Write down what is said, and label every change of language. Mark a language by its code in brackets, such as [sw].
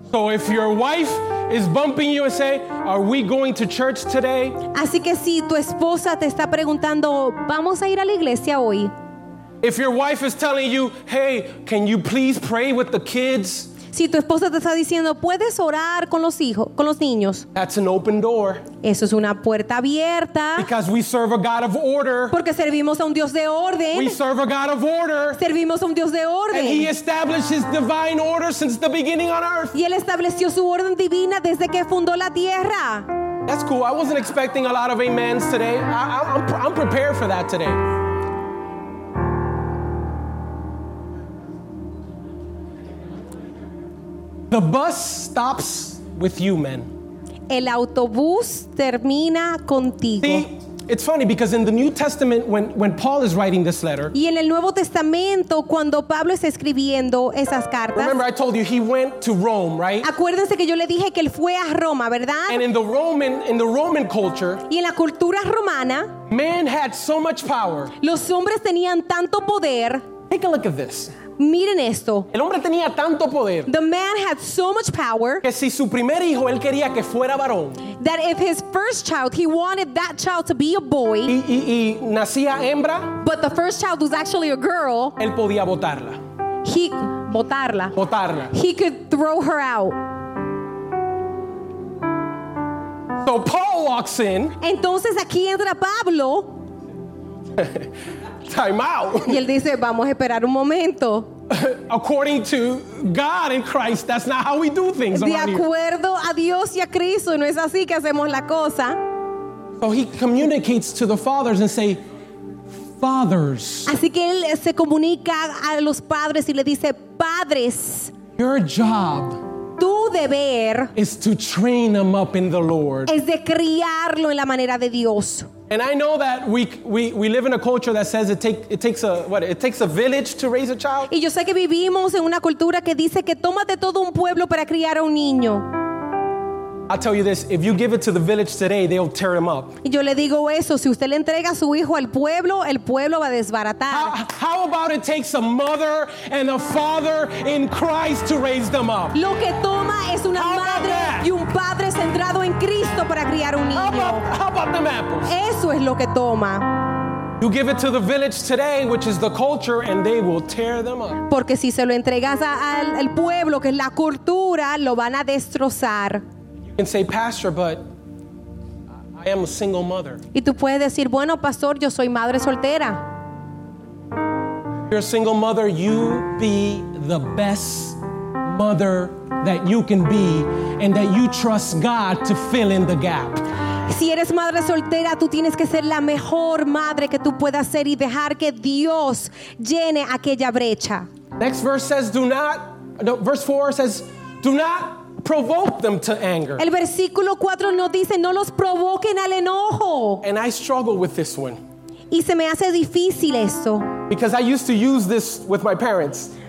[en] So if your wife is bumping you and say, are we going to church today? [es] Así que si tu esposa te está preguntando, ¿vamos a ir a la iglesia hoy? [en] If your wife is telling you, hey, can you please pray with the kids? [es] Si tu esposa te está diciendo, ¿puedes orar con los hijos, con los niños? [en] That's an open door. [es] Eso es una puerta abierta. [en] Because we serve a God of order. [es] Porque servimos a un Dios de orden. [en] We serve a God of order. [es] Servimos a un Dios de orden. [en] And he established his divine order since the beginning on earth. [es] Y él estableció su orden divina desde que fundó la tierra. [en] That's cool. I wasn't expecting a lot of amens today. I'm prepared for that today. The bus stops with you, men. [es] El autobús termina contigo. [en] See, it's funny because in the New Testament, when Paul is writing this letter, [es] y en el Nuevo Testamento cuando Pablo está escribiendo esas cartas, [en] remember I told you he went to Rome, right? [es] Acuérdense que yo le dije que él fue a Roma, ¿verdad? [en] And in the Roman culture, [es] y en la cultura romana, [en] man had so much power. [es] Los hombres tenían tanto poder. [en] Take a look at this. [es] Miren esto. El hombre tenía tanto poder. [en] The man had so much power. [es] Que si su primer hijo él quería que fuera varón. [en] That if his first child, he wanted that child to be a boy. [es] Y nacía hembra. [en] But the first child was actually a girl. [es] Él podía botarla. He botarla. Botarla. [en] He could throw her out. So Paul walks in. [es] Entonces aquí entra Pablo. [en] Time out. [es] Y él dice, vamos a esperar un momento. [en] According to God and Christ, that's not how we do things. [es] De acuerdo a Dios y a Cristo, no es así que hacemos la cosa. [en] So he communicates to the fathers and say, fathers. [es] Así que él se comunica a los padres y le dice, padres. [en] Your job. [es] Tu deber. [en] Is to train them up in the Lord. [es] Es de criarlo en la manera de Dios. [en] And I know that we live in a culture that says it takes a village to raise a child. [es] Y yo sé que vivimos en una cultura que dice que toma de todo un pueblo para criar a un niño. [en] I'll tell you this: if you give it to the village today, they'll tear him up. [es] Y yo le digo eso: si usted le entrega a su hijo al pueblo, el pueblo va a desbaratar. [en] How about it takes a mother and a father in Christ to raise them up? [es] Lo que toma es una madre y un padre centrado en Cristo para criar un niño. [en] How about them apples? [es] Eso es lo que toma. [en] You give it to the village today, which is the culture, and they will tear them up. [es] Porque si se lo entregas al pueblo, que es la cultura, lo van a destrozar. [en] You can say, Pastor, but I am a single mother. [es] Y tú puedes decir, bueno, pastor, yo soy madre soltera. [en] You're a single mother, you be the best mother that you can be, and that you trust God to fill in the gap. [es] Si eres madre soltera, tú tienes que ser la mejor madre que tú puedas ser y dejar que Dios llene aquella brecha. [en] Next verse says, verse 4 says, do not provoke them to anger. [es] El versículo 4 nos dice, no los provoquen al enojo. [en] And I struggle with this one. [es] Y se me hace difícil eso. [en] Because I used to use this with my parents.